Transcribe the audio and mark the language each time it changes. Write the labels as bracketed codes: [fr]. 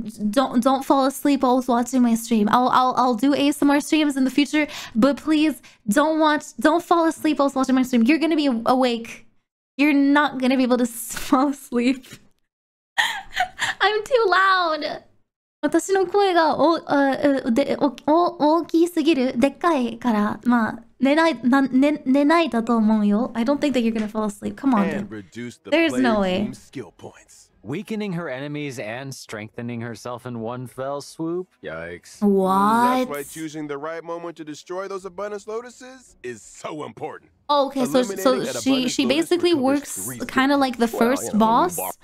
[en] Don't fall asleep while watching my stream. I'll do ASMR streams in the future, but please don't fall asleep while watching my stream. You're gonna be awake. You're not gonna be able to fall asleep. I'm too loud. [ja] 私の声が大きすぎる、でっかいから、まあ、寝ないだと思うよ。 [en] I don't think that you're gonna fall asleep. Come on, dude. There's no way. Weakening her enemies and strengthening herself in one fell swoop? Yikes. What? That's why choosing the right moment to destroy those abundance lotuses is so important. Okay, so she basically works kind of like the first boss.